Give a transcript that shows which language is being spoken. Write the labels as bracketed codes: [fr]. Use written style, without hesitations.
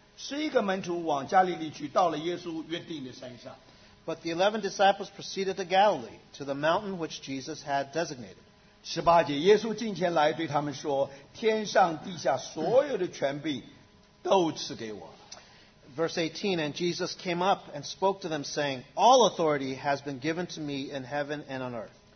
[en] But the 11 disciples proceeded to Galilee, to the mountain which Jesus had designated. [zh] 18节, 耶稣近前来对他们说, 天上地下所有的权柄都赐给我了。Verse [en] 18, and Jesus came up and spoke to them, saying, All authority has been given to me in heaven and on earth.